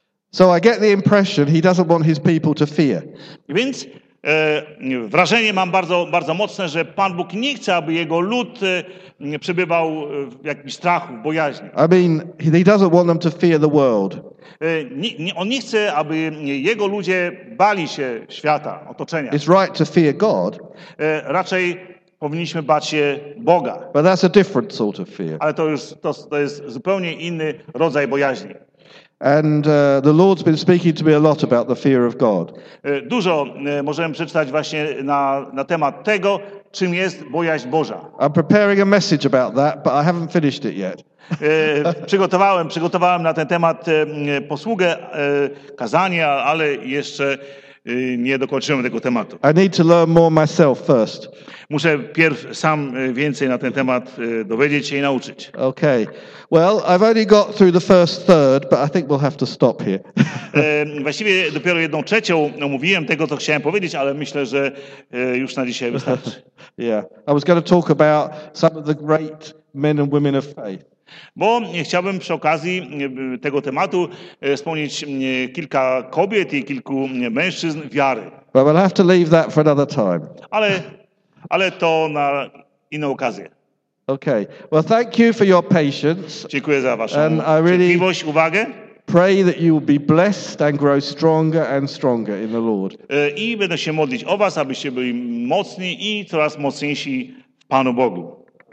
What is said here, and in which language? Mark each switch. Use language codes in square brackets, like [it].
[en] So I get the impression he doesn't want his people to fear. [pl] Więc wrażenie mam bardzo, bardzo mocne, że Pan Bóg nie chce, aby jego lud przebywał w jakimś strachu, w bojaźni. [en] I mean, he doesn't want them to fear the world. [pl] On nie chce, aby jego ludzie bali się świata, otoczenia. [en] It's right to fear God. [pl] Raczej powinniśmy bać się Boga. [en] But that's a different sort of fear. [pl] Ale to jest zupełnie inny rodzaj bojaźni. [en] And the Lord's been speaking to me a lot about the fear of God. [pl] Dużo możemy przeczytać właśnie na temat tego, czym jest bojaźń Boża. [en] I'm preparing a message about that, but I haven't finished it yet. [pl] przygotowałem na ten temat posługę, kazania, ale jeszcze nie dokończyłem tego tematu. [en] I need to learn more myself first. [pl] Muszę pierw sam więcej na ten temat dowiedzieć się i nauczyć. [en] Okay. Well, I've only got through the first third, but I think we'll have to stop here. [pl] Właściwie dopiero 1/3 omówiłem tego, co chciałem powiedzieć, ale myślę, że już na dzisiaj wystarczy. [en] Yeah. I was going to talk about some of the great men and women of faith. [pl] Bo chciałbym przy okazji tego tematu wspomnieć kilka kobiet i kilku mężczyzn wiary. [en] But we'll have to leave that for another time. [pl] Ale to na inną okazję. [en] Okay. Well, thank you for your patience. [pl] Dziękuję za waszą cierpliwość, uwagę. [en] Pray that you will be blessed and grow stronger and stronger in the Lord. [pl] I będę się modlić o was, abyście byli mocni i coraz mocniejsi w Panu Bogu.